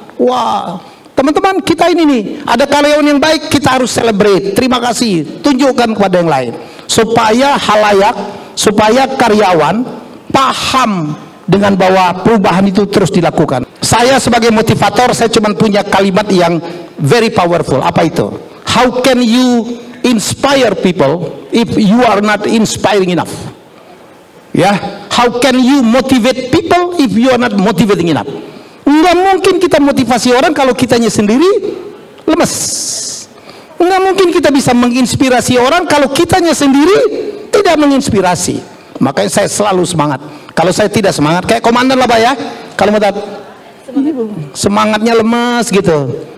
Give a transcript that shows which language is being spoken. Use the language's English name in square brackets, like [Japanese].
[Indonesian] Wah, teman-teman kita ini nih, ada karyawan yang baik, kita harus celebrate. Terima kasih, tunjukkan kepada yang lain. Supaya halayak, supaya karyawan paham dengan bahwa perubahan itu terus dilakukan. Saya sebagai motivator, saya cuma punya kalimat yang [English] very powerful. [Indonesian] Apa itu? [English] How can you inspire people if you are not inspiring enough? Ya, how can you motivate people if you are not motivating enough? [Indonesian] Enggak mungkin kita motivasi orang kalau kitanya sendiri lemes. Enggak mungkin kita bisa menginspirasi orang kalau kitanya sendiri tidak menginspirasi. Makanya saya selalu semangat. Kalau saya tidak semangat, kayak komandan lah Pak ya. Kalau mau semangatnya lemes gitu.